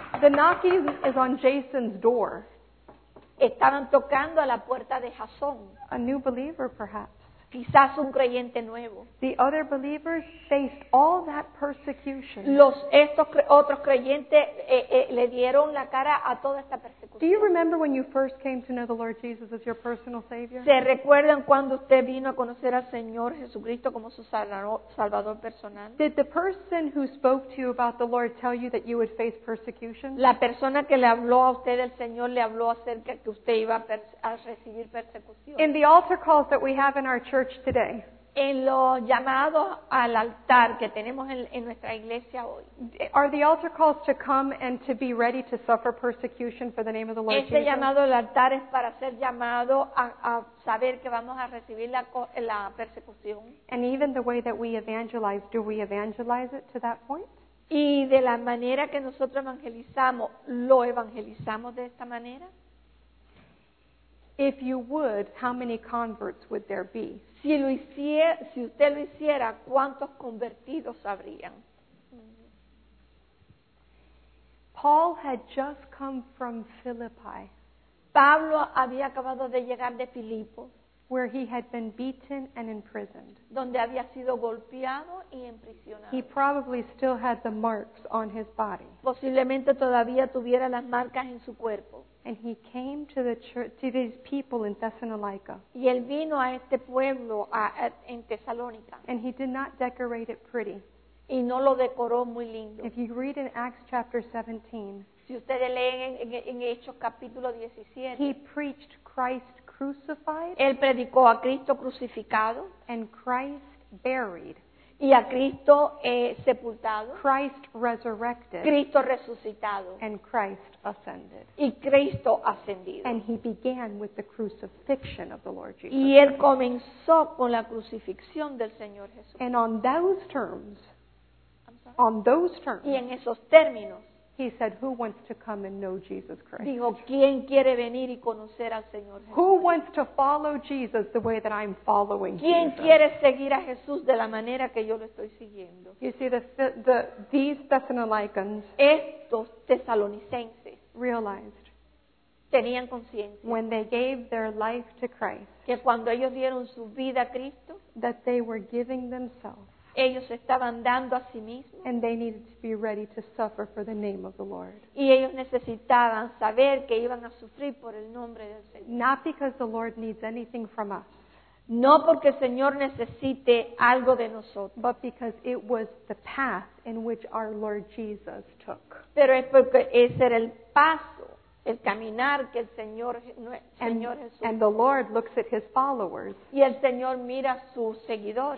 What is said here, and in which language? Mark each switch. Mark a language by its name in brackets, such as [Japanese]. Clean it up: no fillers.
[English] The knocking is on Jason's door. [Spanish] Estaban tocando a la puerta de Jason. [English] A new believer, perhaps. [Spanish] Quizás un creyente nuevo. [English] The other believers faced all that persecution. [Spanish] Estos otros creyentes le dieron la cara a toda esta persecución. [English] Do you remember when you first came to know the Lord Jesus as your personal Savior? [Spanish] ¿Se recuerdan cuando usted vino a conocer al Señor Jesucristo como su Salvador personal? [English] Did the person who spoke to you about the Lord tell you that you would face persecution? [Spanish] La persona que le habló a usted del Señor le habló acerca que usted iba a recibir persecución. [English] In the altar calls that we have in our church today. [Spanish] en los llamados al altar que tenemos en nuestra iglesia hoy. [English] Are the altar calls to come and to be ready to suffer persecution for the name of the Lord Jesus? [Spanish] Este llamado al altar es para ser llamado a saber que vamos a recibir la persecución. [English] And even the way that we evangelize, do we evangelize it to that point? [Spanish] Y de la manera que nosotros evangelizamos, ¿lo evangelizamos de esta manera? [English] If you would, how many converts would there be? [Spanish] Si usted lo hiciera, ¿cuántos convertidos habrían? [English] Paul had just come from Philippi. [Spanish] Pablo había acabado de llegar de Filipos, [English] where he had been beaten and imprisoned. [Spanish] Donde había sido golpeado y emprisionado. [English] He probably still had the marks on his body. [Spanish] Posiblemente todavía tuviera las marcas en su cuerpo. [English] And he came to the church, to these people in Thessalonica. [Spanish] Y él vino a este pueblo en Tesalónica. [English] And he did not decorate it pretty. [Spanish] Y no lo decoró muy lindo. [English] If you read in Acts chapter 17, [Spanish] si ustedes leen en Hechos capítulo 17, [English] he preached Christ crucified. [Spanish] Él predicó a Cristo crucificado. [English] And Christ buried. [Spanish] Y a Cristo sepultado. [English] Christ resurrected. [Spanish] Cristo resucitado. [English] And Christ ascended. [Spanish] Y Cristo ascendido. [English] And he began with the crucifixion of the Lord Jesus. [Spanish] Y él comenzó con la crucifixión del Señor Jesús. [English] And on those terms, on those terms, [Spanish] y en esos términos, [English] he said, who wants to come and know Jesus Christ? [Spanish] Dijo, ¿quién quiere venir y conocer al Señor Jesús? [English] Who wants to follow Jesus the way that I'm following Jesus? [Spanish] ¿Quién quiere seguir a Jesús de la manera que yo lo estoy siguiendo? [English] You see, these Thessalonians, [Spanish] estos tesalonicenses, [English] realized, [Spanish] tenían conciencia, [English] when they gave their life to Christ, [Spanish] que cuando ellos dieron su vida a Cristo, [English] that they were giving themselves, [Spanish] ellos estaban dando a sí mismos, [English] and they needed to be ready to suffer for the name of the Lord. [Spanish] Y ellos necesitaban saber que iban a sufrir por el nombre del Señor. [English] Not because the Lord needs anything from us. [Spanish] No porque el Señor necesite algo de nosotros. [English] But because it was the path in which our Lord Jesus took. [Spanish] Pero es porque ese era el paso, el caminar que el Señor Jesús. [English] And the Lord looks at his followers. [Spanish] Y el Señor mira a sus seguidores.